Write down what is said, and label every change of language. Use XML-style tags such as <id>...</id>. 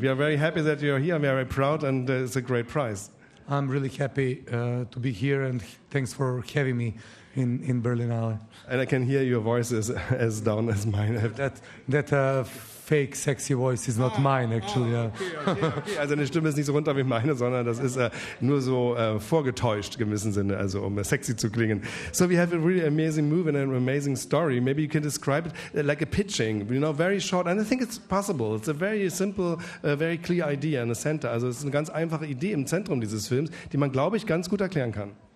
<en>We are very happy that you are here. We are very proud and it's a great prize. I'm really happy to be here and thanks for having me in Berlinale. And I can hear your voice as down as mine. Fake sexy voice is not mine, actually. Okay, okay.</en> <de>Also, eine Stimme ist nicht so runter wie meine, sondern das ist nur so vorgetäuscht, im gewissen Sinne, also um sexy zu klingen.</de> <en>So, we have a really amazing movie and an amazing story. Maybe you can describe it like a pitching, you know, very short. And I think it's possible. It's a very simple, very clear idea in the center.</en> <de>Also, es ist eine ganz einfache Idee im Zentrum dieses Films, die man, glaube ich, ganz gut erklären kann.</de>